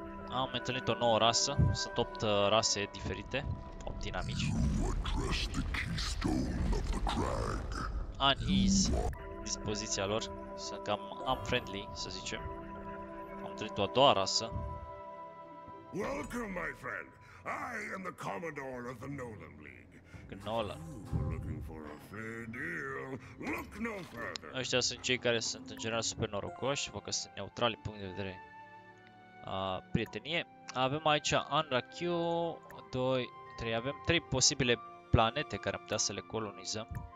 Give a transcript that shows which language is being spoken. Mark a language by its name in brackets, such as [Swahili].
[Romanian] Am întâlnit o nouă rasă, sunt 8 rase diferite, 8 dinamici. Unease, dispoziția lor. Sunt cam unfriendly, să zicem. Am trăit o a doua rasă. [English] Welcome, my friend. I am the commodore of the Nolan League. Gnola. Looking for a fair deal. Look no further. [Romanian] Ăștia sunt cei care sunt în general super norocoși, văd că sunt neutrali din punct de vedere prietenie. Avem aici Anrakiu 2 3. Avem 3 posibile planete care am putea să le colonizăm.